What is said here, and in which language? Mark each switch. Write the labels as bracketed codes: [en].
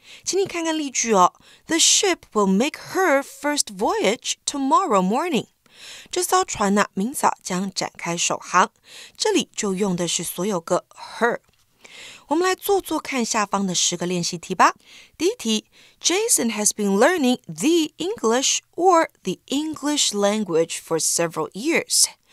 [zh] 请你看看例句哦 [en] ,The ship will make her first voyage tomorrow morning. [zh] 这艘船呢、啊、明早将展开首航。这里就用的是所有个 her。我们来做做看下方的十个练习题吧。第一题 [en] ,Jason has been learning the English or the English language for several years.